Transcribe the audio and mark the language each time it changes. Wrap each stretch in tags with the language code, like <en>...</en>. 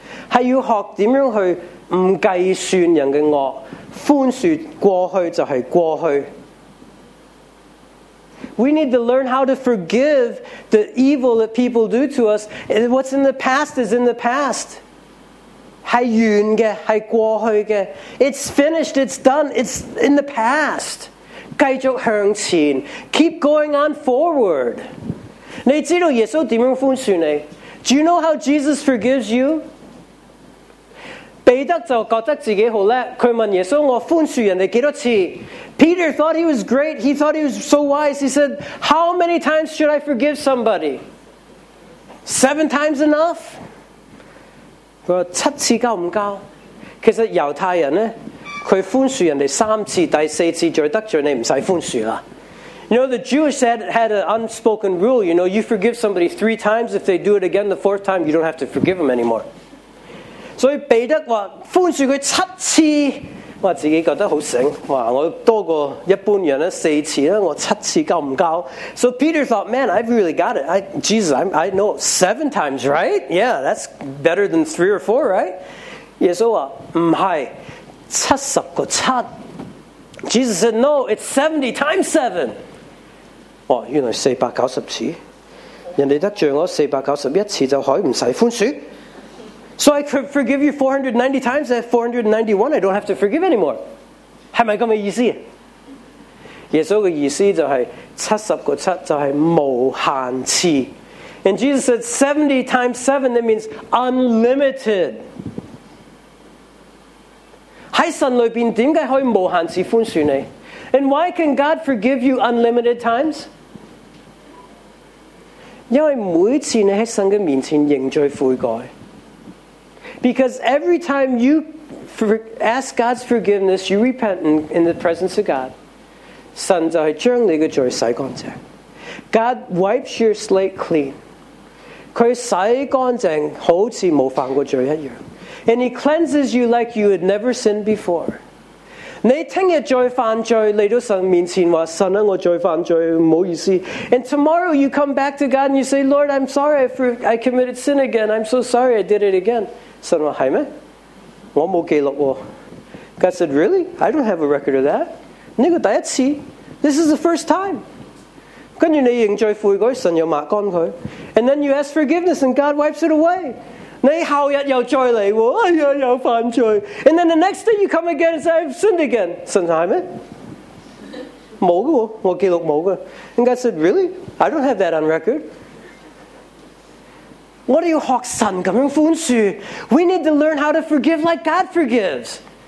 <zh>是要学怎样去不计算人的恶，宽恕过去就是过去。</zh> <en>We need to learn how to forgive the evil that people do to us. What's in the past is in the past.</en> <zh>是远的，是过去的。</zh> <en>It's finished, it's done, it's in the past.</en> <zh>继续向前，</zh> <en>keep going on forward.</en> <zh>你知道耶稣怎样宽恕你？</zh> <en>Do you know how Jesus forgives you?</en> <zh>彼得就觉得自己好叻，佢问耶稣：我宽恕人哋几多次</zh> <en>？Peter thought he was great. He thought he was so wise. He said, "How many times should I forgive somebody? 7 times enough?" 佢话七次够唔够？</en> <zh>其实犹太人咧，佢宽恕人哋3次，第4次罪得罪你唔使宽恕啦。</zh> <en>You know, the Jewish had an unspoken rule. You know, you forgive somebody 3 times, if they do it again the 4th time, you don't have to forgive them anymore.</en> <zh>所以彼得话宽恕佢7次，我自己觉得好醒，话我多过一般人咧4次啦，我7次够唔够</zh> <en>？So Peter thought, man, I've really got it. I know 7 times, right? Yeah, that's better than 3 or 4, right?</en> <zh>耶稣话唔系70个7</zh> <en>，Jesus said, no, it's 70 times 7。</en> <zh>哦，原来490次，人哋得罪我491次就可以唔使宽恕。</zh> <en>So I could forgive you 490 times, at 491, I don't have to forgive anymore.</en> <zh>是不是这个意思？耶稣的意思就是70个7就是无限次。</zh> <en>And Jesus said 70 times 7, that means unlimited.</en> <zh>在神里面为什么可以无限次宽恕你？</zh> <en>And why can God forgive you unlimited times?</en> <zh>因为每次你在神的面前认罪悔改，</zh> <en>Because every time you ask God's forgiveness, you repent in the presence of God.</en> <zh>神就是将你的罪洗干净。</zh> <en>God wipes your slate clean.</en> <zh>他洗干净好似没犯过罪一样。</zh> <en>And he cleanses you like you had never sinned before.</en> <zh>你听日再犯罪来到神面前说，神啊，我再犯罪，不好意思。</zh> <en>And tomorrow you come back to God and you say, Lord, I'm sorry, I committed sin again. I'm so sorry I did it again.</en> <zh>神话系咩？我冇记录喎。</zh> <en>God said, "Really? I don't have a record of that."</en> <zh>呢个第一次</zh> <en>，This is the first time.</en> <zh>跟住你认罪悔改，神又抹干佢。</zh> <en>And then you ask forgiveness, and God wipes it away.</en> <zh>你后日又再嚟，哎呀，又犯罪。</zh> <en>And then the next day you come again and say, "I've sinned again."</en> <zh>神话系咩？冇噶，我记录冇噶。</zh> <en>And God said, "Really? I don't have that on record."</en> <zh>我哋要学神咁样宽恕。</zh> <en>We need to learn how to forgive like God forgives.</en>